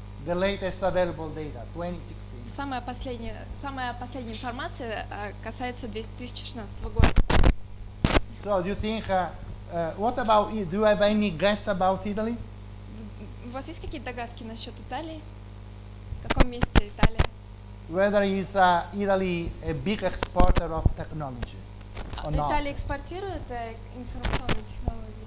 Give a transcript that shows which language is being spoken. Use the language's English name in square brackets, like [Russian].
[English] The latest available data, 2016. [Russian] Самая последняя информация касается 2016 года. [English] So, do you think What about you? Do you have any guess about Italy? [Russian] У вас есть какие-то догадки насчет Италии? В каком месте Италия? [English] Whether is Italy a big exporter of technology or not? [Russian] Италия экспортирует информационные технологии?